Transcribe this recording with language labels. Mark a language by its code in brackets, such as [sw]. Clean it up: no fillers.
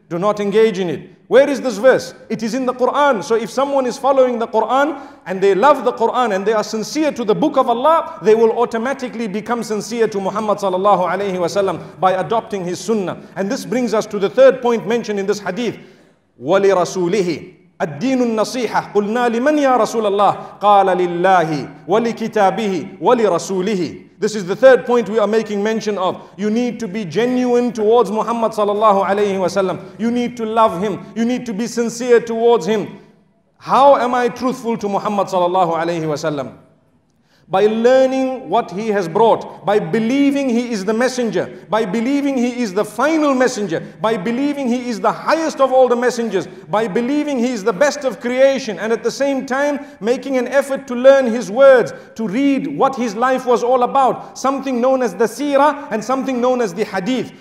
[en] Do not engage in it. Where is this verse? It is in the Quran. So if someone is following the Quran and they love the Quran and they are sincere to the book of Allah, they will automatically become sincere to Muhammad sallallahu alayhi wa sallam by adopting his sunnah. And this brings us to the third point mentioned in this hadith. [ar] وَلِرَسُولِهِ الدِّينُ النَّصِيحَةِ قُلْنَا لِمَنْ يَا رَسُولَ اللَّهِ قَالَ لِلَّهِ وَلِكِتَابِهِ وَلِرَسُولِهِ [en] This is the third point we are making mention of. You need to be genuine towards Muhammad sallallahu alayhi wa sallam. You need to love him. You need to be sincere towards him. How am I truthful to Muhammad sallallahu alayhi wa sallam? By learning what he has brought, by believing he is the messenger, by believing he is the final messenger, by believing he is the highest of all the messengers, by believing he is the best of creation, and at the same time making an effort to learn his words, to read what his life was all about, something known as the seerah and something known as the hadith.